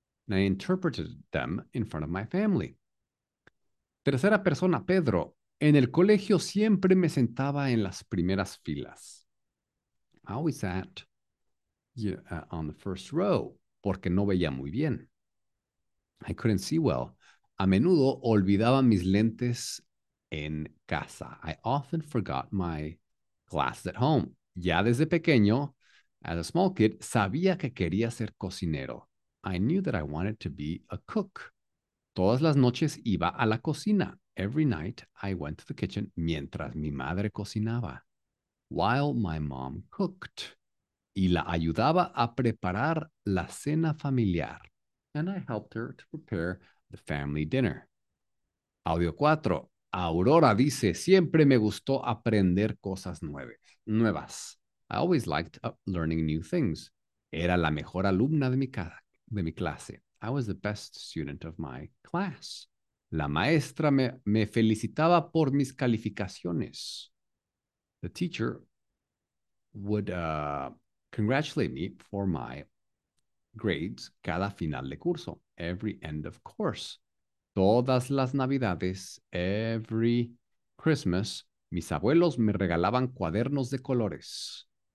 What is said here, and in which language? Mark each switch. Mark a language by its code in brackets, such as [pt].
[en] And I interpreted them in front of my family. [es] Tercera persona, Pedro. En el colegio siempre me sentaba en las primeras filas. [en] I always sat on the first row [es] porque no veía muy bien. [en] I couldn't see well. [es] A menudo olvidaba mis lentes en casa. [en] I often forgot my glasses at home. [es] Ya desde pequeño, [en] as a small kid, [es] sabía que quería ser cocinero. [en] I knew that I wanted to be a cook. [es] Todas las noches iba a la cocina. [en] Every night I went to the kitchen [es] mientras mi madre cocinaba. [en] While my mom cooked. [es] Y la ayudaba a preparar la cena familiar. [en] And I helped her to prepare the family dinner. Audio 4. [es] Aurora dice, siempre me gustó aprender cosas nuevas. [en] I always liked learning new things. [es] Era la mejor alumna de mi clase. [en] I was the best student of my class. [es] La maestra me felicitaba por mis calificaciones. [en] The teacher would congratulate me for my grades [es] cada final de curso. [en] Every end of course. [es] Todas las navidades, [en] every Christmas, [es] mis abuelos me regalaban cuadernos de colores.